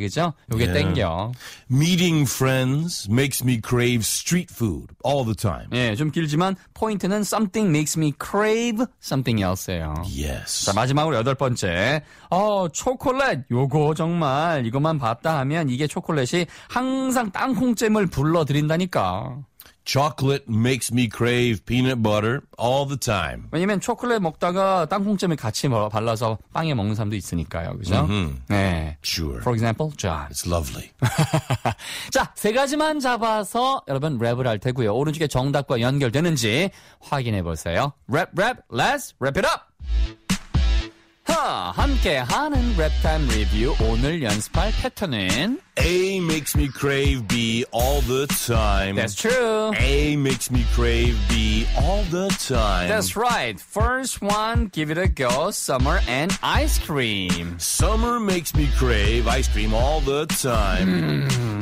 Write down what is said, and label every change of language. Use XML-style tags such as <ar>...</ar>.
<ko>그죠? 요게 yeah. 땡겨.</ko> <en>Meeting friends makes me crave street food all the time.</en> <ko>예, 네, 좀 길지만, 포인트는</ko> <en>something makes me crave something else</en> <ko>예요.</ko> <en>Yes.</en> <ko>자, 마지막으로 여덟 번째. 어, 초콜릿, 요거 정말, 이것만 봤다 하면, 이게 초콜릿이 항상 땅콩잼을 불러드린다니까.</ko> <en>Chocolate makes me crave peanut butter all the time.</en> <ko>왜냐면 초콜릿 먹다가 땅콩잼을 같이 발라서 빵에 먹는 사람도 있으니까요. 그죠? Mm-hmm. 네.</ko> <en>Sure. For example, John. It's lovely.</en> <ko>자, 세 가지만 잡아서 여러분 랩을 할 테고요. 오른쪽에 정답과 연결되는지 확인해 보세요.</ko> <en>Rap, rap, let's wrap it up!</en> <ko>함께하는 랩타임 리뷰 오늘 연습할 패턴은</ko> <en>A makes me crave B all the time. That's true. A makes me crave B all the time. That's right. First one, give it a go. Summer and ice cream. Summer makes me crave ice cream all the time.</en>